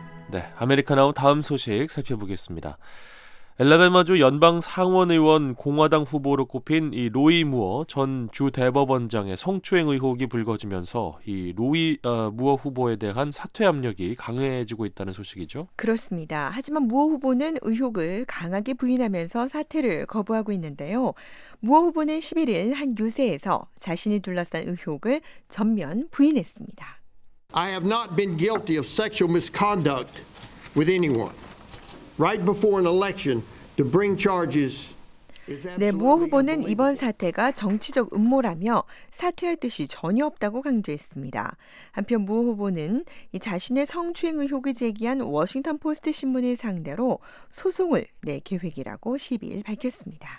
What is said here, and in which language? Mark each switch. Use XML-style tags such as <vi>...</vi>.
<ko>네, 아메리카나우 다음 소식 살펴보겠습니다. 엘라베마주 연방 상원의원 공화당 후보로 꼽힌 이 로이 무어 전 주 대법원장의 성추행 의혹이 불거지면서 이 무어 후보에 대한 사퇴 압력이 강해지고 있다는 소식이죠. 그렇습니다. 하지만 무어 후보는 의혹을 강하게 부인하면서 사퇴를 거부하고 있는데요. 무어 후보는 11일 한 유세에서 자신이 둘러싼 의혹을 전면 부인했습니다.</ko> <en>I have not been guilty of sexual misconduct with anyone. Right before an election to bring charges.</en> <ko>네, 무어 후보는 이번 사태가 정치적 음모라며 사퇴할 뜻이 전혀 없다고 강조했습니다. 한편 무어 후보는 이 자신의 성추행 의혹을 제기한 워싱턴 포스트 신문을 상대로 소송을 낼 계획이라고 12일 밝혔습니다.</ko>